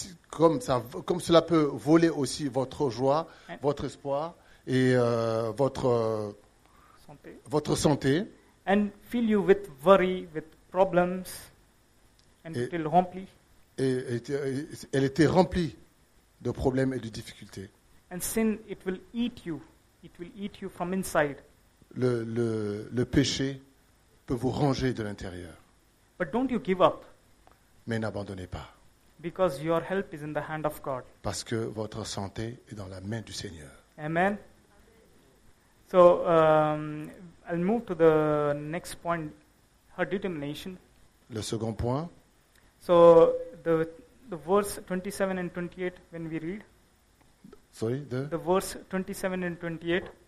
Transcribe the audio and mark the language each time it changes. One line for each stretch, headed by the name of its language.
French: Comme cela peut voler aussi votre joie, votre espoir et votre santé.
English: And fill you with worry, with problems, and it will remply.
French: Et elle était remplie de problèmes et de difficultés.
English: And sin, it will eat you. It will eat you from inside.
French: Le péché peut vous ronger de l'intérieur.
English: But don't you give up.
French: Mais n'abandonnez pas.
English: Because your help is in the hand of God.
French: Parce que votre santé est dans la main du Seigneur.
English: Amen. So, I'll move to the next point, her determination.
French: Le second point.
English: So, the verse 27 and 28, when we read. Sorry, the verse 27 and 28.